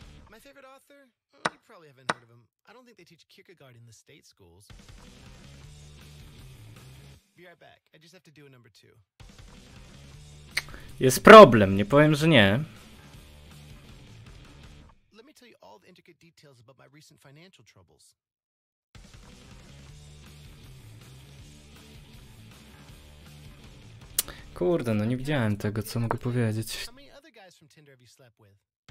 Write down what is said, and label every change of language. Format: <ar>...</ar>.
<en>My favorite author? You probably haven't heard of him. I don't think they teach Kierkegaard in the state schools. Be right back. I just have to do a number two.</en> <pl>Jest problem, nie powiem, że nie.</pl> <en>Let me tell you all the intricate details about my recent financial troubles.</en> <pl>Kurde, no nie widziałem tego, co mogę powiedzieć.</pl> <en>How many other guys from Tinder have you slept with?</en>